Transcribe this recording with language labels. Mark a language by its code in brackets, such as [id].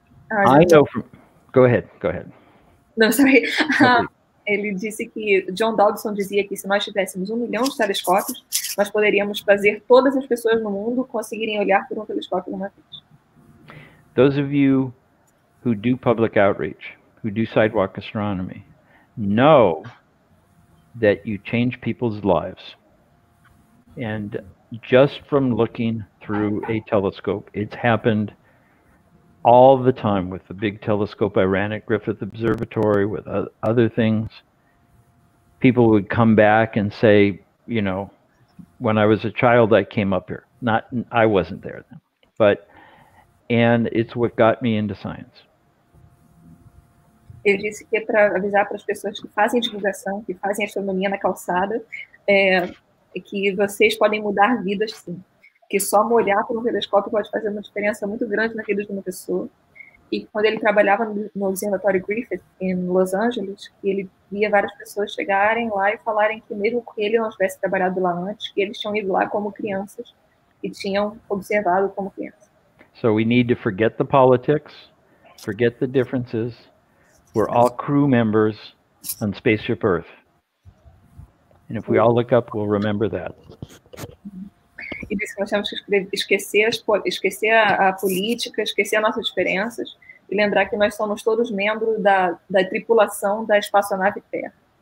[en] I know from... Go ahead. [pt] Não, [en] sorry. [pt] Ele disse que John Dobson dizia que se nós tivéssemos 1 milhão de telescópios, nós poderíamos fazer todas as pessoas no mundo conseguirem olhar por um telescópio numa vez. [en] Those of you who do public outreach, who do sidewalk astronomy, know that you change people's lives. And just from looking through a telescope, it's happened all the time with the big telescope I ran at Griffith Observatory, with other things. People would come back and say, you know, when I was a child, I came up here. I wasn't there then, and it's what got me into science. [pt] Ele disse que é para avisar para as pessoas que fazem divulgação, que fazem astronomia na calçada, que vocês podem mudar vidas, sim. Que só olhar para um telescópio pode fazer uma diferença muito grande na vida de uma pessoa. E quando ele trabalhava no Observatório Griffith, em Los Angeles, ele via várias pessoas chegarem lá e falarem que mesmo que ele não tivesse trabalhado lá antes, que eles tinham ido lá como crianças e tinham observado como criança. [en] So we need to forget the politics, forget the differences. We're all crew members on Spaceship Earth. And if we all look up, we'll remember that. [pt] E disse que nós temos que esquecer a política, esquecer as nossas diferenças e lembrar que nós somos todos membros da tripulação da espaçonave Terra.